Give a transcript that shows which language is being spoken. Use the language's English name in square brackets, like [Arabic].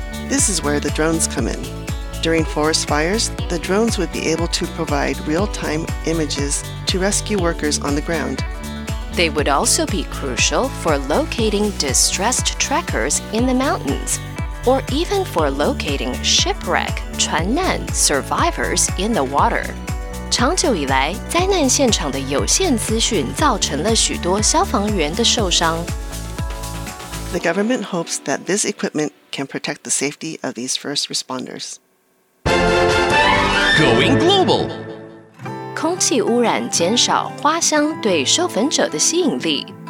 [English] This is where the drones come in. During forest fires, the drones would be able to provide real-time images to rescue workers on the ground. They would also be crucial for locating distressed trekkers in the mountains, or even for locating shipwreck 船难 survivors in the water. [Chinese] 长久以来，灾难现场的有限资讯造成了许多消防员的受伤。 [English] The government hopes that this equipment can protect the safety of these first responders. Going global! [Chinese] 空气污染减少花香对受粉者的吸引力。